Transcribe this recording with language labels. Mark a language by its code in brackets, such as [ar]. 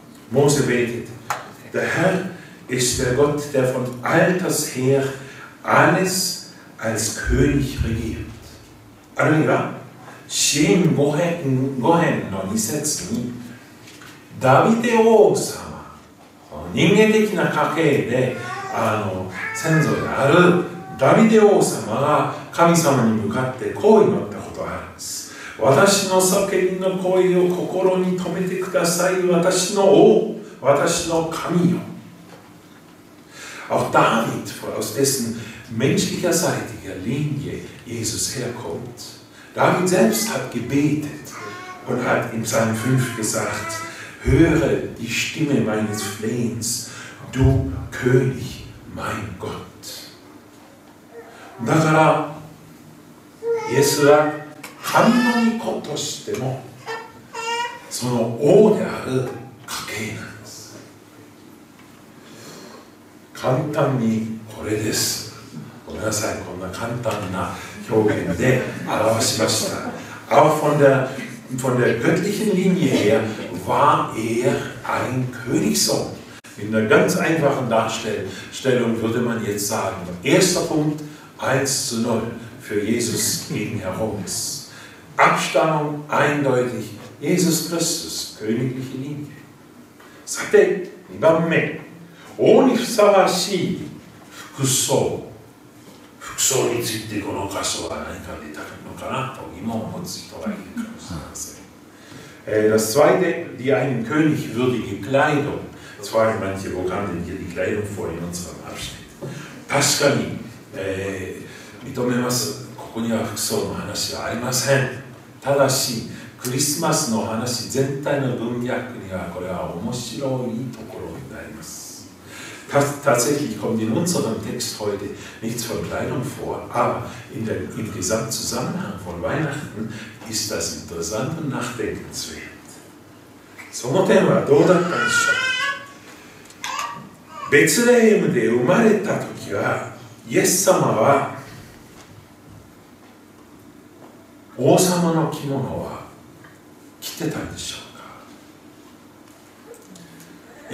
[de] Mose betet. Der Herr ist der Gott, der von alters her alles als König regiert. [ja] あるいは、シーン・ゴヘン、ゴヘンの2節に、ダビデ王様、本人間的な家系で先祖であるダビデ王様が神様に向かってこう祈ったことがあるんです。私の叫びの声を心に留めてください、私の王、私の神よ。 [de] Auch David, aus dessen menschlicher seitiger Linie Jesus herkommt, David selbst hat gebetet und hat in Psalm 5 gesagt: Höre die Stimme meines Flehens, du König, mein Gott. Und da Jesus sagt: Kannonikotostemo, sondern ohne Kakena. [ja] 簡単にこれです。ごめんなさい、こんな簡単な表現で表しました。 [de] Aber von der göttlichen Linie her war ein Königssohn. In der ganz einfachen Darstellung würde man jetzt sagen, erster Punkt 1:0 für Jesus gegen Herodes. Abstammung eindeutig Jesus Christus, königliche Linie. [ja] さて、2番目、王にふさわしい服装。服装についてこの箇所は何か出てくるのかなと疑問を持つ人がいるかもしれません。 [de] Das zweite, die einen König würdige Kleidung. Das war ich manche, wo kam denn hier die Kleidung vor in unserem Abschnitt? [ja] 確かに、認めます。ここには服装の話はありません。ただし、クリスマスの話全体の文脈にはこれは面白いところになります。 [de] Tatsächlich kommt in unserem Text heute nichts von Kleidung vor, aber im Gesamtzusammenhang von Weihnachten ist das interessant und nachdenkenswert. [ja] その点はどうだったんでしょう。ベツレヘムで生まれた時は、イエス様は王様の着物は着てたんでしょうか。